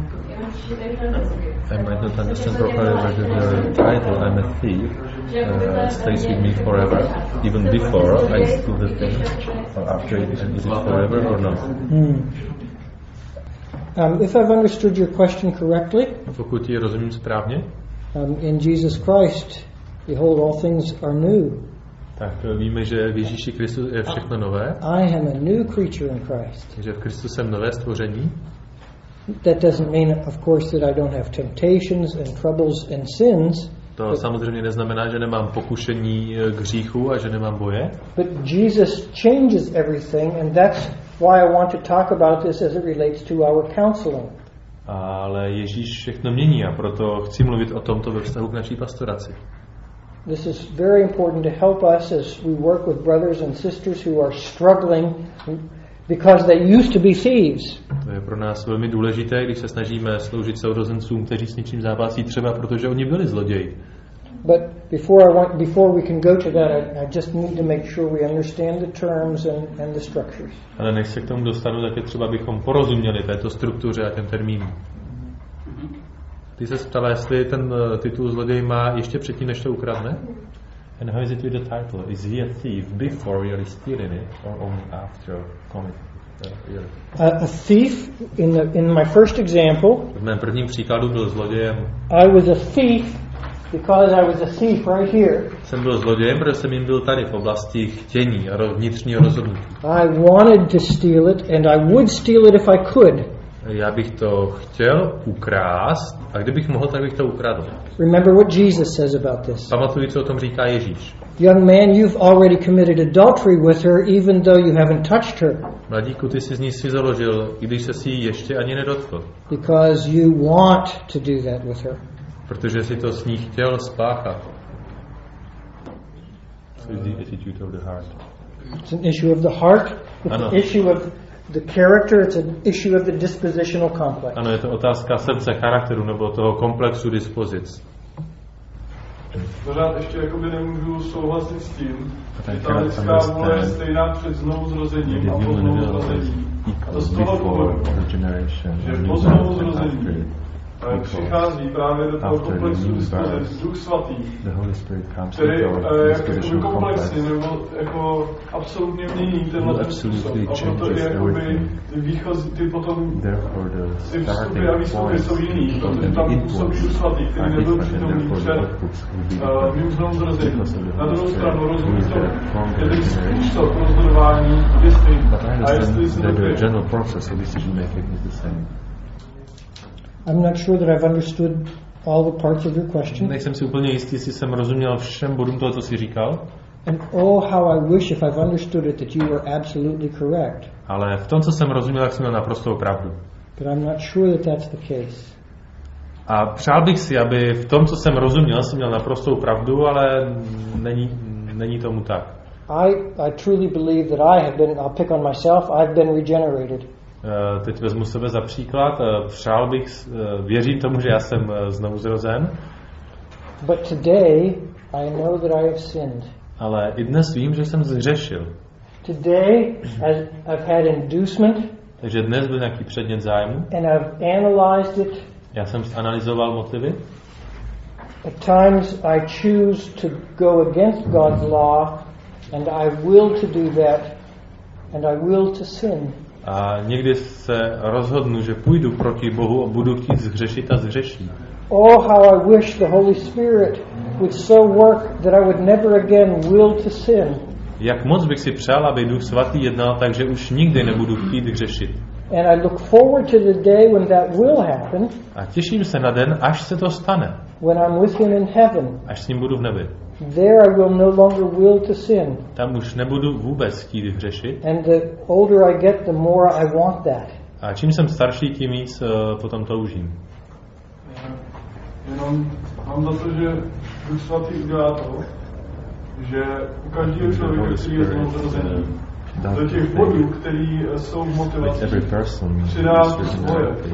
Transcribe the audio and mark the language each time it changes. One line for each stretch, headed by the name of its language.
English: I might not understand properly, but the title, I'm a thief, stays with me forever, even before I do the thing, or after, is it forever or not? If I've understood your question correctly,
Czech: pokud ji rozumím správně,
English: in Jesus Christ, behold, all things are new.
Czech: Tak víme, že v Ježíši Kristu je všechno nové.
English: I am a new creature in Christ.
Czech: Že v Kristu jsem nové stvoření.
English: That doesn't mean, of course, that I don't have temptations and troubles and sins.
Czech: To samozřejmě neznamená, že nemám pokušení k hříchu a že nemám boje.
English: But Jesus changes everything, and that's why I want to talk about this as it relates to our counseling.
Czech: Ale Ježíš všechno mění, a proto chci mluvit o tomto ve vztahu k naší pastoraci.
English: This is very important to help us as we work with brothers and sisters who are struggling because they used to be thieves.
Czech: To je pro nás velmi důležité, když se snažíme sloužit sourozencům, kteří s něčím zápasí, třeba protože oni byli zloději.
English: But before we can go to that, I just need to make sure we understand the terms and the structures.
Czech: Ale než se k tomu dostanu, tak je třeba, abychom porozuměli této struktuře a těm termínům. Ty se ptala, jestli ten titul zloděj má ještě předtím, než to ukradne?
English: And how is it with the title? Is he a thief before you're stealing it or only after committing it? A thief in my first example.
Czech: V mém prvním příkladu byl zlodějem.
English: I was a thief because I was a thief right here.
Czech: Jsem byl zlodějem, protože jsem jim byl tady v oblasti chtění a vnitřního rozhodnutí.
English: I wanted to steal it and I would steal it if I could.
Czech: Já bych to chtěl ukrást, a kdybych mohl, tak bych to ukradl.
English: Remember what Jesus says about this.
Czech: Pamatuj, co o tom říká Ježíš.
English: Young man, you've already committed adultery with her, even though you haven't touched her.
Czech: Mladíku, ty jsi z ní si založil, i když se si ještě ani nedotkl.
English: Because you want to do that with her.
Czech: Protože jsi to s ní chtěl spáchat.
English: So is the attitude of the heart. It's an issue of the heart. It's an issue of the character, it's an issue of the dispositional complex.
Czech: Ano, je to otázka srdce, charakteru nebo toho komplexu dispozic. Pořád ještě jakoby nemůžu souhlasit s tím, že ta lidská vůle je stejná před znovuzrozením a po znovuzrozením. A to z toho důvodu, že po znovuzrození přichází právě do toho komplexu dispozic Duch Svatý, který jako komplexně nebo jako absolutně mění tenhle ten způsob. A proto je jakoby výchozí, ty potom ty vstupy a výstupy jsou jiný, protože tam působí Duch Svatý, který nebyl přítomný před mým znovu zrozením. Na druhou stranu rozumím to, že ten způsob rozhodování je stejný.
English: the general process of decision making is the same. I'm not sure that I've understood all the parts of your question.
Czech: Nejsem si úplně jistý, jestli jsem rozuměl všem bodům toho, co jsi říkal.
English: And oh, how I wish if I've understood it that you were absolutely correct.
Czech: Ale v tom, co jsem rozuměl, tak jsem měl naprostou pravdu.
English: But I'm not sure that that's the case.
Czech: A přál bych si, aby v tom, co jsem rozuměl, jsem měl naprostou pravdu, ale není tomu tak.
English: I truly believe that I have been, I'll pick on myself, I've been regenerated.
Czech: Teď vezmu sebe za příklad. Přál bych, věřím tomu, že já jsem znovu zrozen.
English: But today I know that I have sinned.
Czech: Ale i dnes vím, že jsem zřešil.
English: Today I've had inducement.
Czech: Takže dnes byl nějaký předmět zájmu.
English: And I've analyzed it.
Czech: Já jsem analyzoval motivy.
English: At times I choose to go against God's law, and I will to do that, and I will to sin.
Czech: A někdy se rozhodnu, že půjdu proti Bohu a budu chtít zhřešit a zhřeším.
English: Oh, how I wish the Holy Spirit would so work that I would never again will to sin.
Czech: Jak moc bych si přál, aby Duch Svatý jednal tak, že už nikdy nebudu chtít hřešit.
English: And I look forward to the day when that will happen.
Czech: A těším se na den, až se to stane.
English: When I'm with Him in heaven.
Czech: Až s ním budu v nebi.
English: There I will no longer will to sin.
Czech: Tam už nebudu vůbec chtít hřešit.
English: And the older I get, the more I want that.
Czech: A čím jsem starší, tím víc potom toužím. Jenom mám za to, že Duch Svatý udělá to, že u každého člověka, který je znovuzrozený, do těch bodů, který jsou v motivaci, přidá svoje.